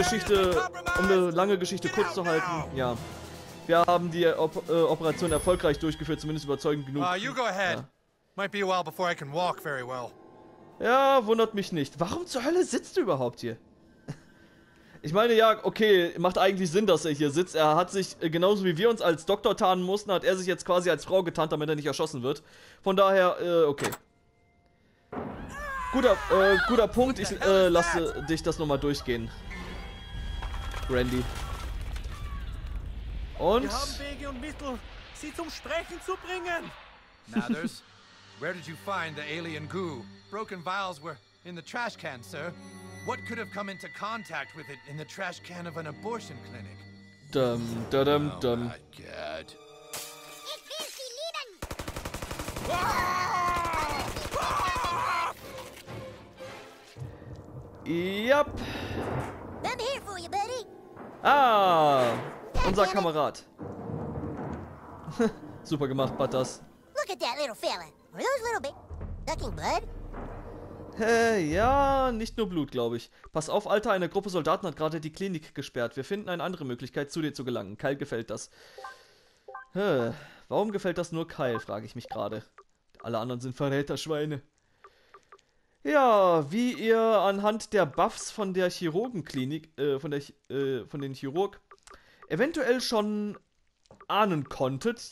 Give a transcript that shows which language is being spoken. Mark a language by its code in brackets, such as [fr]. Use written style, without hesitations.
[de] Um eine lange Geschichte kurz zu halten. Ja. Wir haben die Operation erfolgreich durchgeführt, zumindest überzeugend genug. [en] You go ahead. [de] Ja. [en] Might be a while before I can walk very well. [de] Ja, wundert mich nicht. Warum zur Hölle sitzt du überhaupt hier? Ich meine, ja, okay, macht eigentlich Sinn, dass er hier sitzt. Er hat sich, genauso wie wir uns als Doktor tarnen mussten, hat er sich jetzt quasi als Frau getarnt, damit er nicht erschossen wird. Von daher, okay. Guter Punkt. Ich lasse dich das nochmal durchgehen. Randy. Und? Wir haben Wege und Mittel, sie zum Sprechen zu bringen. Mathers. [en] Where did you find the alien goo? Broken vials were in the trash can, sir. What could have come into contact with it in the trash can of an abortion clinic? Dum, da dum, dum. Oh my god. [de] Ich will sie lieben! Ah! Ah! [en] Yep. I'm here for you, buddy. [de] Ah! Unser Kamerad. Super gemacht, Butters. [en] Look at that little fella. Are those little fucking blood? [de] Ja, nicht nur Blut, glaube ich. Pass auf, Alter, eine Gruppe Soldaten hat gerade die Klinik gesperrt. Wir finden eine andere Möglichkeit, zu dir zu gelangen. Kyle gefällt das. Warum gefällt das nur Kyle, frage ich mich gerade. Alle anderen sind Verräterschweine. Ja, wie ihr anhand der Buffs von der Chirurgenklinik, von den Chirurg, eventuell schon ahnen konntet.